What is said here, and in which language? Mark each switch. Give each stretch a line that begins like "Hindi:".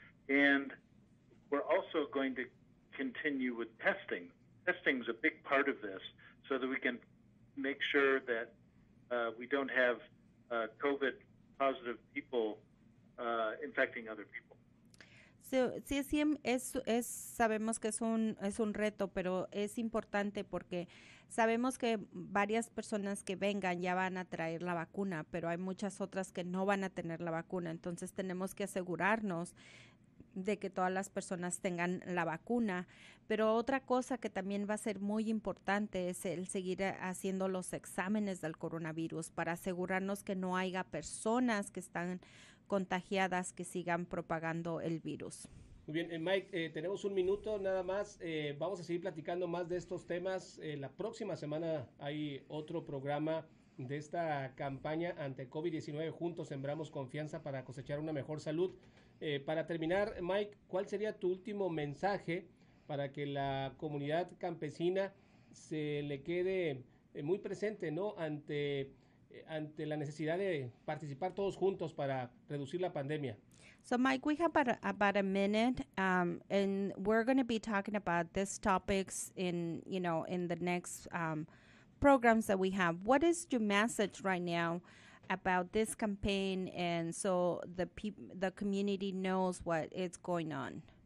English: And we're also going to continue with testing. Testing is a big part of this so that we can make sure that we don't have COVID-positive people infecting other people.
Spanish: Sí, es sabemos que es un reto, pero es importante porque sabemos que varias personas que vengan ya van a traer la vacuna, pero hay muchas otras que no van a tener la vacuna. Entonces tenemos que asegurarnos de que todas las personas tengan la vacuna. Pero otra cosa que también va a ser muy importante es el seguir haciendo los exámenes del coronavirus para asegurarnos que no haya personas que están contagiadas que sigan propagando el virus. Muy bien, Mike, tenemos un minuto nada más. Vamos a seguir platicando más de estos temas. La próxima semana hay otro programa de esta campaña ante COVID-19. Juntos sembramos confianza para cosechar una mejor salud. Para terminar, Mike, ¿cuál sería tu último mensaje para que la comunidad campesina se le quede muy presente, ¿no?, ante la necesidad de participar todos juntos para reducir la pandemia?
English: So, Mike, we have about a minute, and we're going to be talking about these topics in the next programs that we have. What is your message right now about this campaign, and so the community knows what is going on?